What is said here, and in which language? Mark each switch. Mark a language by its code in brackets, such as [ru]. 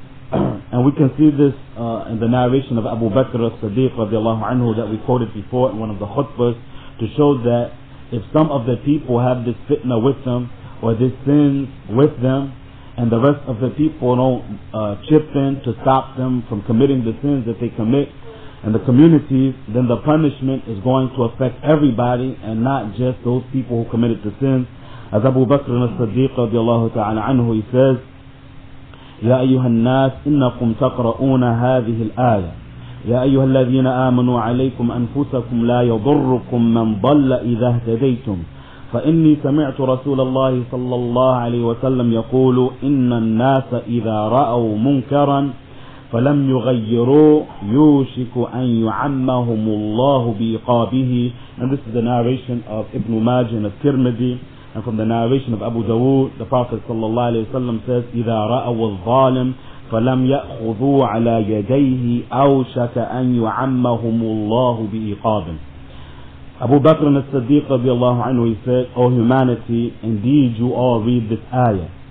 [en] And we can see this in the narration of Abu Bakr as-Siddiq radiallahu anhu that we quoted before in one of the khutbahs, to show that if some of the people have this fitna with them, or this sin with them, and the rest of the people don't chip in to stop them from committing the sins that they commit in the communities, then the punishment is going to affect everybody and not just those people who committed the sins. As Abu Bakr as-Siddiq radiallahu ta'ala anhu, he says, [ar] يَا أَيُّهَا النَّاسِ إِنَّكُمْ تَقْرَؤُونَ هَذِهِ الْآيَةِ يا أيها الذين آمنوا عليكم أنفسكم لا يضركم من ضل إذا اهتديتم فإني سمعت رسول الله صلى الله عليه وسلم يقول إن الناس إذا رأوا منكرا فلم يغيروا يوشك أن يعمهم الله بإقابه. [en] And this is the narration of Ibn Majah and Tirmidhi, and from the narration of Abu Dawood, the Prophet صلى الله عليه وسلم says, [ar] إذا رأوا الظالم فَلَمْ يَأْخُذُوا عَلَى يَدَيْهِ أَوْشَكَ أَنْ يُعَمَّهُمُ اللَّهُ بِإِقَابٍ. [en] Abu Bakr as-Siddiq رضي الله عنه, he said, O humanity, indeed you all read this ayah.